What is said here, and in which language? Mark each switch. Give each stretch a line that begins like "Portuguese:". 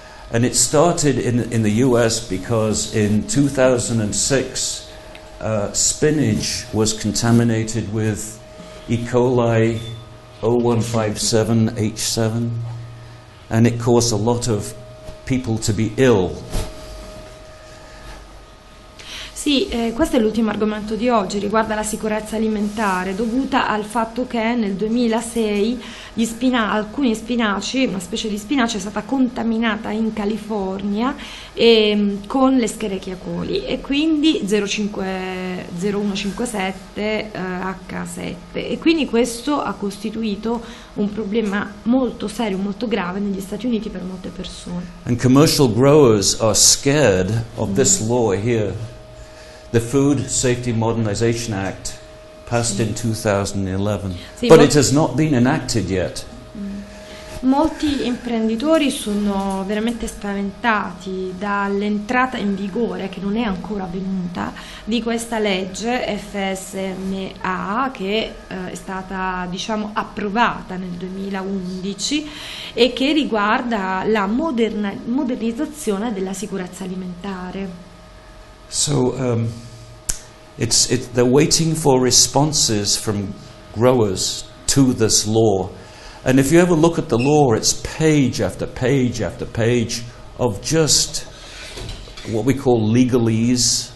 English: And it started in the US because in 2006 spinach was contaminated with E. coli 0157H7 and it caused a lot of people to be ill.
Italian: Sì, questo è l'ultimo argomento di oggi, riguarda la sicurezza alimentare, dovuta al fatto che nel 2006 alcuni spinaci, una specie di spinaci, è stata contaminata in California con le Escherichia coli e quindi 0157H7 e quindi questo ha costituito un problema molto serio, molto grave negli Stati Uniti per molte persone.
English: And commercial growers are scared of this law here. The Food Safety Modernization Act passed in 2011,
Italian: sì,
English: but it has not been enacted yet.
Italian: Molti imprenditori sono veramente spaventati dall'entrata in vigore, che non è ancora avvenuta, di questa legge FSMA che è stata diciamo approvata nel 2011 e che riguarda la modernizzazione della sicurezza alimentare.
English: So it's they're waiting for responses from growers to this law, and if you ever look at the law, it's page after page after page of just what we call legalese.